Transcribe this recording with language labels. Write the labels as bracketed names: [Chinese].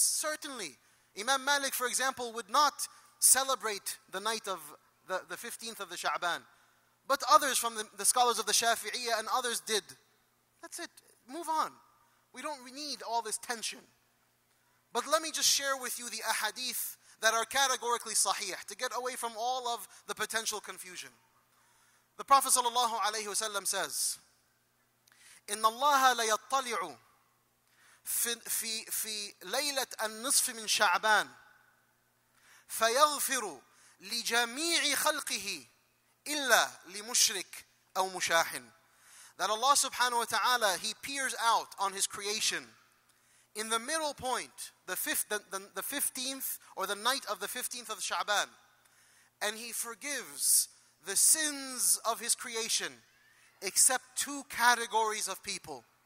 [English] Certainly, Imam Malik, for example, would not celebrate the night of the 15th of the Sha'ban. But others from the scholars of the Shafi'iyah and others did. That's it. Move on. We don't need all this tension. But let me just share with you the ahadith that are categorically sahih to get away from all of the potential confusion. [Arabic] The Prophet sallallahu alayhi wasallam says, إن الله ليطلع في ليلة النصف من شعبان فيغفر لجميع خلقه إلا لمشرك أو مشاحن. [English] That Allah subhanahu wa ta'ala, He peers out on His creation in the middle point, the 15th or the night of the 15th of Sha'ban, and He forgives the sins of His creation except two categories of people.